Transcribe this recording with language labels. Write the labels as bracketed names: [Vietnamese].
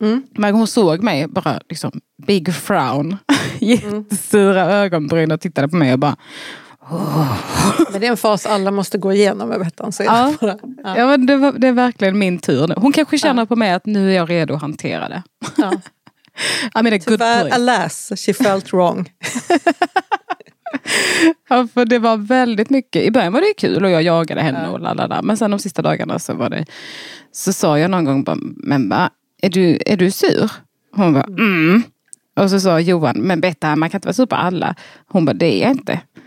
[Swedish] Men hon såg mig bara liksom [English] big frown, [Swedish] jättesura ögonbryn och tittade på mig och bara... Oh. Men det är en fas alla måste gå igenom, jag vet inte. Ja. Ja, men det är verkligen min tur. Hon kanske känner på mig att nu är jag redo att hantera det. Ja. [English] I mean, [Swedish] tyvärr, [English] alas, she felt wrong. [Swedish] Ja, för det var väldigt mycket. I början var det kul och jag jagade henne och lalala. Men sen de sista dagarna så var det... Så sa jag någon gång, men va? Är du sur? Hon var Och så sa Johan, men Betta, man kan inte vara sur på alla. Hon var det är jag inte.